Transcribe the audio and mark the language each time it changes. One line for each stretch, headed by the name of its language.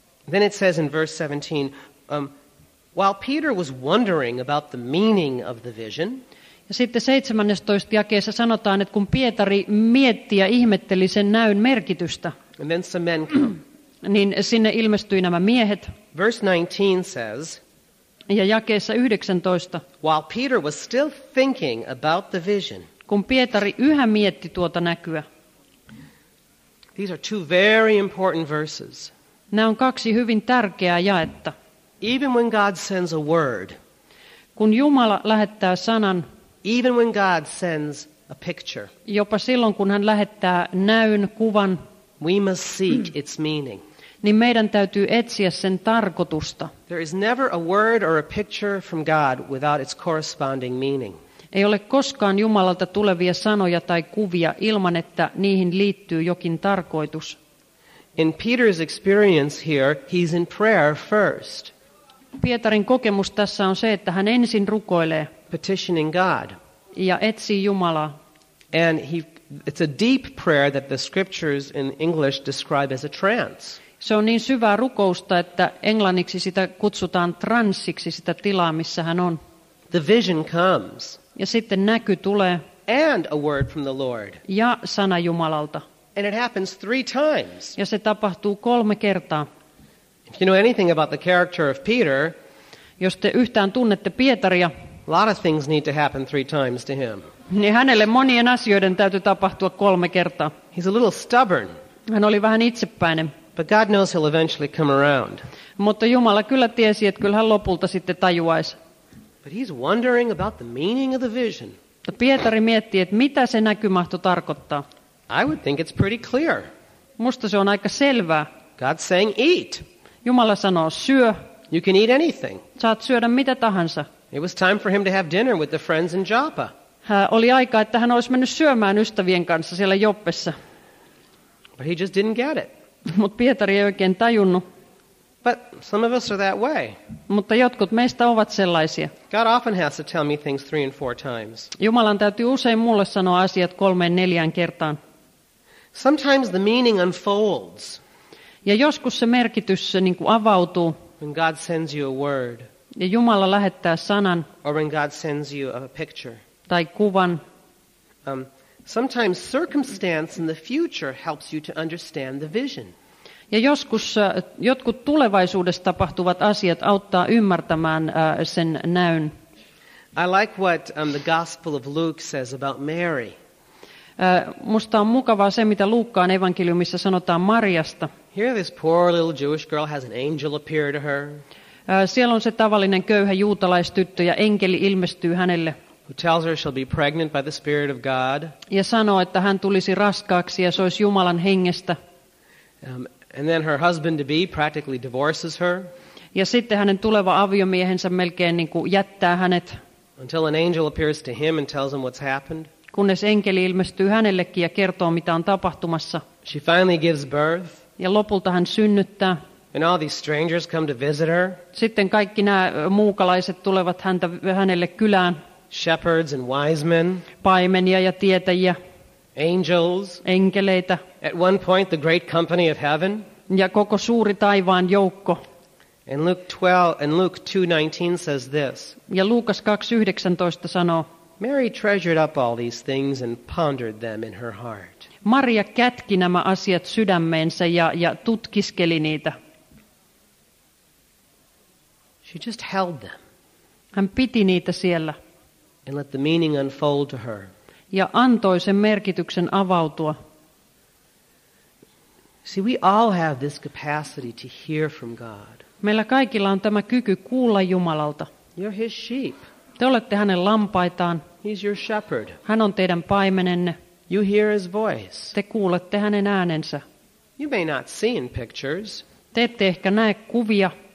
English: Then it says in verse 17, while Peter was wondering about the meaning of the vision.
Finnish: Ja sitten 17. jakeessa sanotaan, että kun Pietari mietti ja ihmetteli sen näyn merkitystä.
English: And then some men come.
Finnish: Niin sinne ilmestyi nämä miehet.
English: Verse 19 says.
Finnish: Ja jakeessa 19.
English: While Peter was still thinking about the vision.
Finnish: Kun Pietari yhä mietti tuota näkyä.
English: These are two very important verses.
Finnish: Nämä on 2 hyvin tärkeää jaetta.
English: Even when God sends a word.
Finnish: Kun Jumala lähettää sanan.
English: Even when God sends a picture.
Finnish: Jopa silloin kun hän lähettää näyn, kuvan.
English: We must seek its meaning.
Finnish: Niin meidän täytyy etsiä sen tarkoitusta.
English: There is never a word or a picture from God without its corresponding meaning.
Finnish: Ei ole koskaan Jumalalta tulevia sanoja tai kuvia ilman, että niihin liittyy jokin tarkoitus.
English: In Peter's experience here, he's in prayer first.
Finnish: Pietarin kokemus tässä on se, että hän ensin rukoilee.
English: Petitioning God.
Finnish: Ja etsii Jumalaa.
English: And it's a deep prayer that the scriptures in English describe as a trance.
Finnish: Se on niin syvää rukousta, että englanniksi sitä kutsutaan transsiksi, sitä tilaa, missä hän on.
English: The vision comes.
Finnish: Ja sitten näky tulee.
English: And a word from the Lord.
Finnish: Ja sana Jumalalta.
English: And it happens 3 times.
Finnish: Ja se tapahtuu 3 kertaa.
English: If you know anything about the character of Peter,
Finnish: jos te yhtään tunnette Pietaria,
English: a lot of things need to happen 3 times to him.
Finnish: Niin hänelle monien asioiden täytyy tapahtua 3 kertaa.
English: He's a little stubborn.
Finnish: Hän oli vähän itsepäinen.
English: But God knows he'll eventually come around.
Finnish: Mutta Jumala kyllä tiesi, että kyllä hän lopulta sitten tajuaisi.
English: But he's wondering about the meaning of the vision.
Finnish: Mutta Pietari miettii, että mitä se näky mahtoi tarkoittaa.
English: I would think it's pretty clear.
Finnish: Musta se on aika selvää.
English: God's saying eat.
Finnish: Jumala sanoo syö.
English: You can eat anything.
Finnish: Saat syödä mitä tahansa.
English: It was time for him to have dinner with the friends in Joppa.
Finnish: Oli aika, että hän olisi mennyt syömään ystävien kanssa siellä Joppessa.
English: But he just didn't get it.
Finnish: Mutta Pietari ei oikein tajunnut.
English: But some of us are that way.
Finnish: Mutta jotkut meistä ovat sellaisia.
English: God often has to tell me things 3 and 4 times.
Finnish: Jumalan täytyy usein mulle sanoa asiat 3-4 kertaan.
English: Sometimes the meaning unfolds.
Finnish: Ja joskus se merkitys se niin kuin avautuu.
English: When God sends you a word.
Finnish: Ja Jumala lähettää sanan.
English: Or when God sends you a picture.
Finnish: Tai kuvan.
English: Sometimes circumstance in the future helps you to understand the vision.
Finnish: Ja joskus jotkut tulevaisuudessa tapahtuvat asiat auttaa ymmärtämään sen näyn.
English: I like what the Gospel of Luke says about Mary.
Finnish: Musta on mukavaa se, mitä Luukkaan evankeliumissa sanotaan Mariasta.
English: Here this poor little Jewish girl has an angel appear to her.
Finnish: Siellä on se tavallinen köyhä juutalaistyttö ja enkeli ilmestyy hänelle.
English: Who tells her she'll be pregnant by the Spirit of God.
Finnish: Ja sanoo, että hän tulisi raskaaksi ja se olisi Jumalan hengestä.
English: And then her husband-to-be practically divorces her.
Finnish: Ja sitten hänen tuleva aviomiehensä melkein niin kuin jättää hänet.
English: Until an angel appears to him and tells him what's happened.
Finnish: Kunnes enkeli ilmestyy hänellekin ja kertoo, mitä on tapahtumassa.
English: She finally gives birth.
Finnish: Ja lopulta hän synnyttää.
English: And all these strangers come to visit her.
Finnish: Sitten kaikki nämä muukalaiset tulevat hänelle kylään.
English: Shepherds and wise men.
Finnish: Paimenia ja tietäjiä.
English: Angels.
Finnish: Enkeleitä.
English: At one point the great company of heaven.
Finnish: Ja koko suuri taivaan joukko.
English: And Luke 2:19 says this.
Finnish: Ja Luukas 2:19 sanoo.
English: Mary treasured up all these things and pondered them in her heart.
Finnish: Maria kätki nämä asiat sydämeensä ja tutkiskeli niitä.
English: She just held them.
Finnish: Hän piti niitä siellä.
English: And let the meaning unfold to her.
Finnish: Ja antoi sen merkityksen avautua.
English: See, we all have this capacity to hear from God.
Finnish: Meillä kaikilla on tämä kyky kuulla Jumalalta.
English: You're his sheep.
Finnish: Te olette hänen lampaitaan.
English: He's your shepherd.
Finnish: Hän on teidän paimenenne.
English: You hear his voice.
Finnish: Te kuulette hänen äänensä.
English: You may not see in pictures.
Finnish: Te ette ehkä näe kuvia.